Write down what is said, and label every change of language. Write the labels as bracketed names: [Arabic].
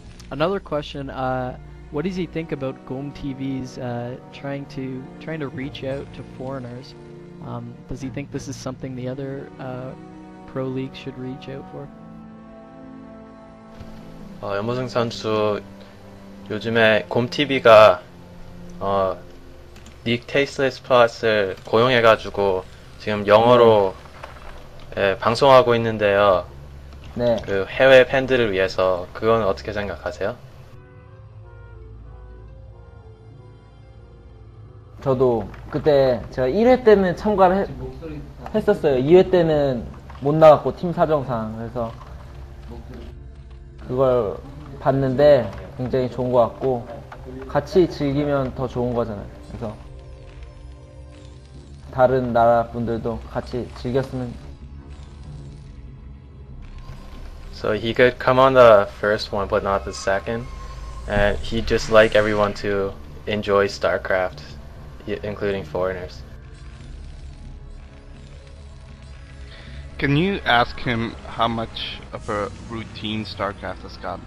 [English] Another question, what does he think about Gong TV's trying to reach out to foreigners? Does he think this is something the other pro league should reach out for? [Korean] 염보승 선수 요즘에 곰TV가 닉 테이슬리스 플러스를 고용해가지고 지금 영어로 예, 방송하고 있는데요. 네. 그 해외 팬들을 위해서 그건 어떻게 생각하세요? 저도 그때 제가 1회 때는 참가를 했었어요. 2회 때는 못 나갔고 팀 사정상 그래서 그걸 봤는데 굉장히 좋은 것 같고 같이 즐기면 더 좋은 거잖아요. 그래서 다른 나라 분들도 같이 즐겼으면. [English] So he could come on the first one, but not the second, and he just like everyone to enjoy StarCraft, including foreigners. Can you ask him how much of a routine StarCraft has got?